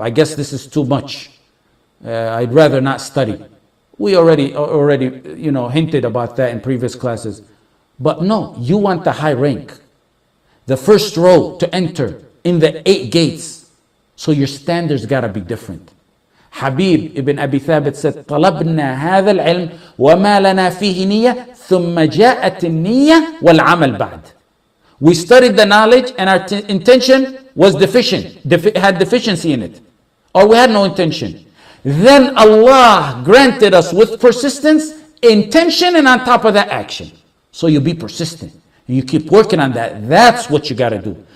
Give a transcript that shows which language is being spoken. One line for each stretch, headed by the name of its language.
English: I guess this is too much. I'd rather not study." We already, you know, hinted about that in previous classes. But no, you want the high rank. The first row to enter in the 8 gates. So your standards gotta be different.
Arabic: Habib ibn Abi Thabit said, "طلبنا هذا العلم وما لنا فيه نية ثم جاءت النية والعمل بعد."
English: We studied the knowledge and our intention was deficient, had deficiency in it. Or we had no intention. Then Allah granted us with persistence, intention, and on top of that, action. So you be persistent. You keep working on that. That's what you got to do.